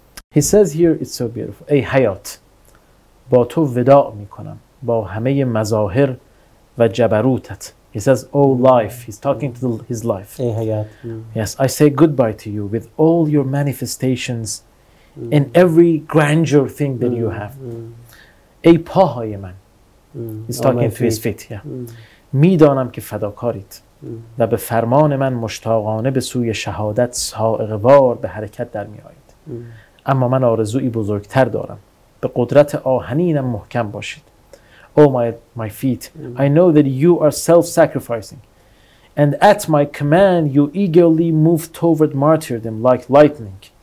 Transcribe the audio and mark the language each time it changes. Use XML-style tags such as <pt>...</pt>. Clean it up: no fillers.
<en>He says here, it's so beautiful.</en> <fa>Ey hayat, ba to vida' mikonam, ba hameye mazahir va jabarutat.</fa> <en>He says, oh life. He's talking to his life.</en> <fa>Ey hayat.</fa> <en>Yes, I say goodbye to you with all your manifestations and every grandeur thing that you have.</en> <fa>Ey pahaye man.</fa> <en>He's talking to his feet.</en> <fa>میدانم که فداکاریت و به فرمان من مشتاقانه به سوی شهادت سائقوار به حرکت در میآید. اما من آرزویی بزرگتر دارم. به قدرت آهنینم محکم باشید.</fa> <en>Oh my feet, I know that you are self-sacrificing, and at my command you eagerly move toward martyrdom like lightning.</en>